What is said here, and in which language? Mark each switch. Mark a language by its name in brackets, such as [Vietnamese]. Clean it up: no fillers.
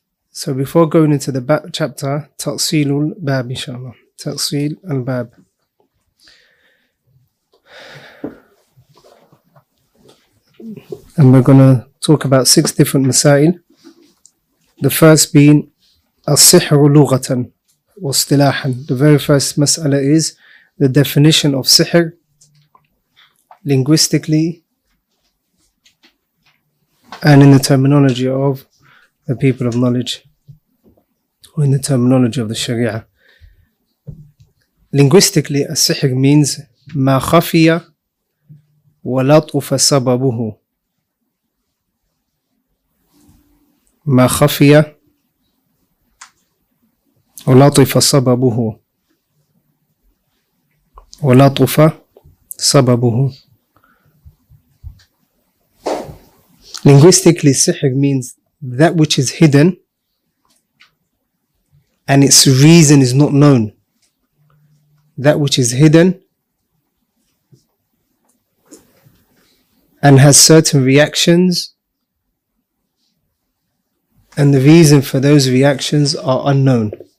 [English] So before going into the chapter, Ta'seel al-Bab, inshallah. Ta'seel al-Bab. And we're going to talk about six different masail. The first being [Arabic] السحر لغة واصطلاحا. [English] The very first mas'ala is the definition of sihr linguistically and in the terminology of the people of knowledge, or in the terminology of the Sharia. Linguistically, [Arabic] السحر [English] means [Arabic] ما خفي ولطف سببه. ما خفي ولطف سببه ولطف سببه. [English] Linguistically, sihr means that which is hidden and its reason is not known. That which is hidden and has certain reactions, and the reason for those reactions are unknown.